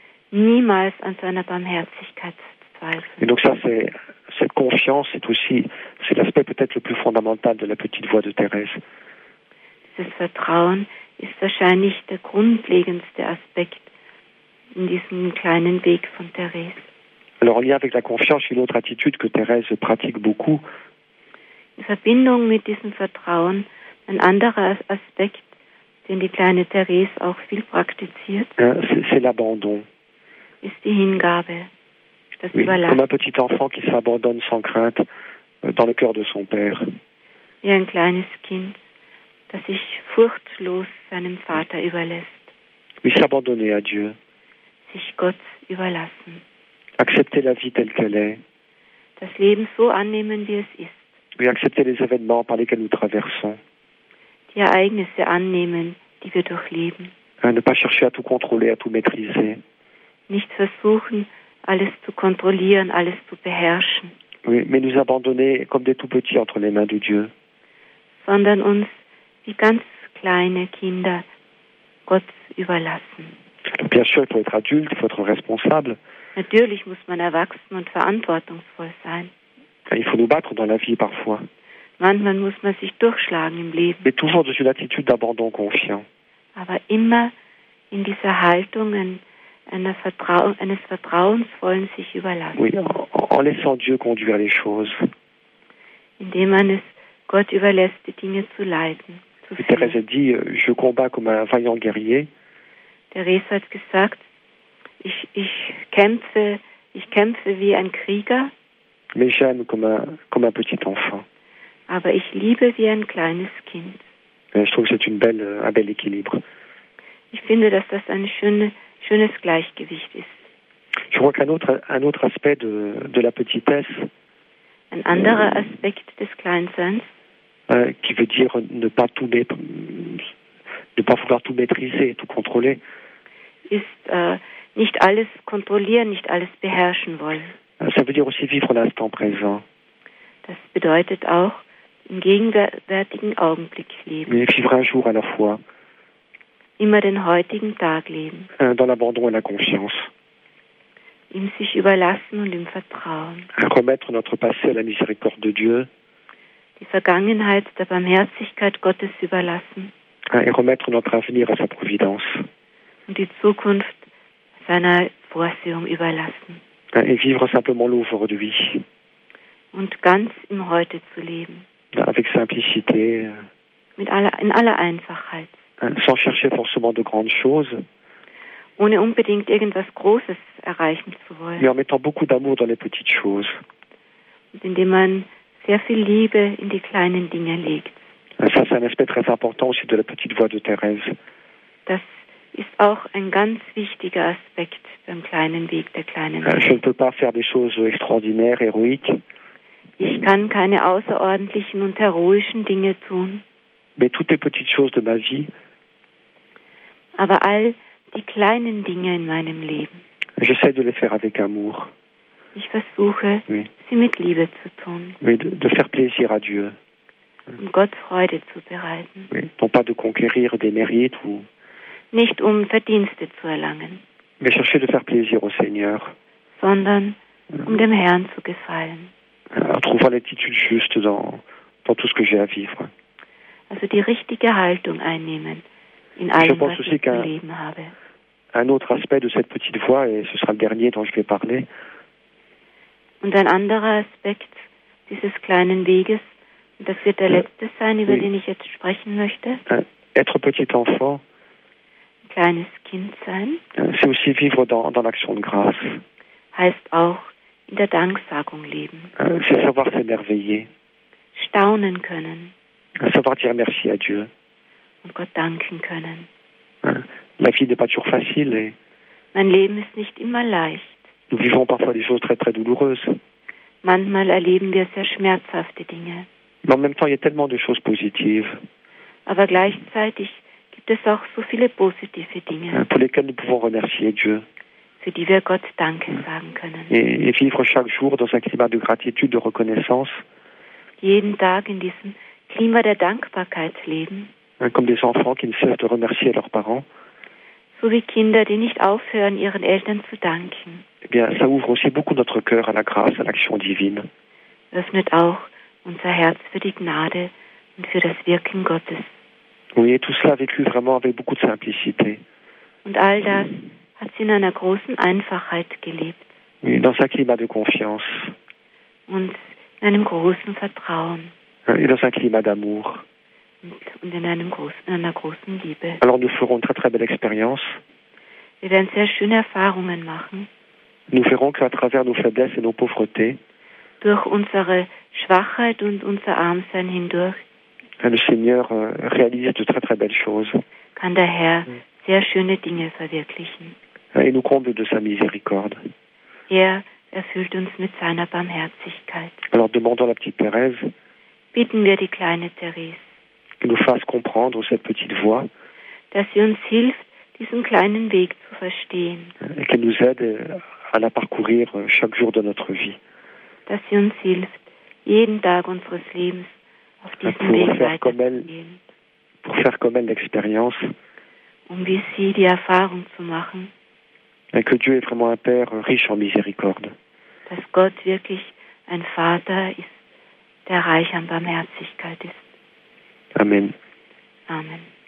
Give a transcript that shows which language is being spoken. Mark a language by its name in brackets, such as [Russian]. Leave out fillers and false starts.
[German] Niemals an seiner Barmherzigkeit zweifeln. [French] Et donc ça, c'est cette confiance, c'est aussi c'est l'aspect peut-être le plus fondamental de la petite voix de Thérèse. [German] Dieses Vertrauen ist wahrscheinlich der grundlegendste Aspekt in diesem kleinen Weg von Thérèse. [French] Alors, en lien avec la confiance, une autre attitude que Thérèse pratique beaucoup. [German] In Verbindung mit diesem Vertrauen, ein anderer Aspekt, den die kleine Thérèse auch viel praktiziert. [French] C'est l'abandon. [German] Ist die Hingabe. Das oui, überlassen. [French] Comme un petit enfant qui s'abandonne sans crainte dans le cœur de son père. [German] Wie ein kleines Kind, das sich furchtlos seinem Vater überlässt. [French] Oui, s'abandonner à Dieu. [German] Sich Gott überlassen. [French] Accepter la vie telle qu'elle est. [German] Das Leben so annehmen, wie es ist. [French] Oui, accepter les événements par lesquels nous traversons. [German] Die Ereignisse annehmen, die wir durchleben. [French] Ne pas chercher à tout contrôler, à tout maîtriser. [German] Nicht versuchen, alles zu kontrollieren, alles zu beherrschen. [French] Oui, mais nous abandonner comme des tout petits entre les mains de Dieu. [German] Sondern uns wie ganz kleine Kinder Gott überlassen. [French] Bien sûr, il faut être adulte, il faut être responsable. [German] Natürlich muss man erwachsen und verantwortungsvoll sein. [French] Il faut nous battre dans la vie parfois. [German] Manchmal muss man sich durchschlagen im Leben. [French] Mais toujours dans une attitude d'abandon confiant. [German] Aber immer in dieser Haltung eines vertrauensvollen sich überlassen. [French] Oui, en laissant Dieu conduire les choses. [German] Indem man es Gott überlässt, die Dinge zu leiten. [French] Thérèse dit, je combats comme un vaillant guerrier. [German] Thérèse hat gesagt, ich kämpfe wie ein Krieger. [French] Mais j'aime comme un petit enfant. [German] Aber ich liebe wie ein kleines Kind. [French] Je trouve que c'est un bel équilibre. [German] Ich finde, dass das ein schönes Gleichgewicht ist. [French] Je crois qu'un autre aspect de la petitesse. [German] Ein anderer Aspekt des Kleinseins. [French] Qui veut dire ne pas vouloir tout maîtriser, tout contrôler. [German] Ist nicht alles kontrollieren, nicht alles beherrschen wollen. [French] Ça veut dire aussi vivre l'instant présent. [German] Das bedeutet auch im gegenwärtigen Augenblick leben. [French] Mais vivre un jour à la fois. [German] Immer den heutigen Tag leben. [French] Dans l'abandon et la confiance. [German] Ihm sich überlassen und ihm vertrauen. [French] Remettre notre passé à la miséricorde de Dieu. [German] Die Vergangenheit der Barmherzigkeit Gottes überlassen. [French] Et remettre notre avenir à sa providence. [German] Und die Zukunft seiner Vorsehung überlassen. [French] Et vivre simplement l'aujourd'hui. [German] Und ganz im Heute zu leben. [French] Avec simplicité. [German] In aller Einfachheit. [French] Sans chercher forcément de grandes choses. [German] Ohne unbedingt irgendwas Großes erreichen zu wollen. [French] Mais en mettant beaucoup d'amour dans les petites choses. [German] Und indem man sehr viel Liebe in die kleinen Dinge legt. [French] Ça, c'est un aspect très important aussi de la petite voix de Thérèse. [German] Das ist auch ein ganz wichtiger Aspekt beim kleinen Weg der kleinen [French] Je ne peux pas faire des choses extraordinaires, héroïques. [German] Ich kann keine außerordentlichen und heroischen Dinge tun. [French] Mais toutes les petites choses de ma vie. [German] Aber all die kleinen Dinge in meinem Leben. [French] J'essaie de les faire avec amour. [German] Ich versuche, sie mit Liebe zu tun. [French] Mais de faire plaisir à Dieu. [German] Um Gott Freude zu bereiten. [French] Non pas de conquérir des mérites ou [German] nicht um Verdienste zu erlangen, [French] mais chercher de faire plaisir au Seigneur, [German] sondern um dem Herrn zu gefallen. [French] En trouvant l'attitude juste dans tout ce que j'ai à vivre. [German] Also die richtige Haltung einnehmen in allem, was ich zu leben habe. [French] Un autre aspect de cette petite voix, et ce sera le dernier dont je vais parler. [German] Und ein anderer Aspekt dieses kleinen Weges, und das wird der letzte sein, über den ich jetzt sprechen möchte. [French] Être petit enfant. [German] Kleines Kind sein. [French] C'est aussi vivre dans l'action de grâce. [German] Heißt auch in der Danksagung leben. [French] C'est savoir s'émerveiller. [German] Staunen können. [French] Savoir dire merci à Dieu. [German] Und Gott danken können. [French] La vie n'est pas toujours facile. [German] Mein Leben ist nicht immer leicht. [French] Nous vivons parfois des choses très très douloureuses. [German] Manchmal erleben wir sehr schmerzhafte Dinge. [French] Mais en même temps, il y a tellement de choses positives. [German] Aber gleichzeitig gibt es auch so viele positive Dinge, [French] pour lesquelles nous pouvons remercier Dieu. [German] Für die wir Gott Danke sagen können. [French] Et vivre chaque jour dans un climat de gratitude, de reconnaissance. [German] Jeden Tag in diesem Klima der Dankbarkeit leben. [French] comme des enfants qui ne cessent de remercier leurs parents. [German] So wie Kinder, die nicht aufhören, ihren Eltern zu danken. [French] Eh bien, ça ouvre aussi beaucoup notre cœur à la grâce, à l'action divine. [German] Öffnet auch unser Herz für die Gnade und für das Wirken Gottes. [French] Oui, et tout cela vécu vraiment avec beaucoup de simplicité. [German] Und all das hat sie in einer großen Einfachheit gelebt. [French] Oui, dans un climat de confiance. [German] Und in einem großen Vertrauen. [French] Et dans un climat d'amour. [German] Und in einem großen, in einer großen Liebe. [French] Alors nous ferons une très très belle expérience. [German] Wir werden sehr schöne Erfahrungen machen. [French] Nous verrons qu'à travers nos faiblesses et nos pauvretés, [German] durch unsere Schwachheit und unser Armsein hindurch, [French] le Seigneur réalise de très très belles choses. [German] Kann der Herr sehr schöne Dinge verwirklichen. [French] Et nous comble de sa miséricorde. [German] Er erfüllt uns mit seiner Barmherzigkeit. [French] Alors demandons à la petite Thérèse, [German] bitten wir die kleine Therese, [French] qu'il nous fasse comprendre cette petite voie, [German] dass sie uns hilft, diesen kleinen Weg zu verstehen. [French] Et qu'elle nous aide à la parcourir chaque jour de notre vie. [German] Dass sie uns hilft, jeden Tag unseres Lebens auf diesem [French] pour [German] Weg weiterzugehen. [French] Pour faire comme elle l'expérience. [German] Um wie sie die Erfahrung zu machen. [French] Et que Dieu est vraiment un Père riche en miséricorde. [German] Dass Gott wirklich ein Vater ist, der reich an Barmherzigkeit ist. [French] Amen. [German] Amen.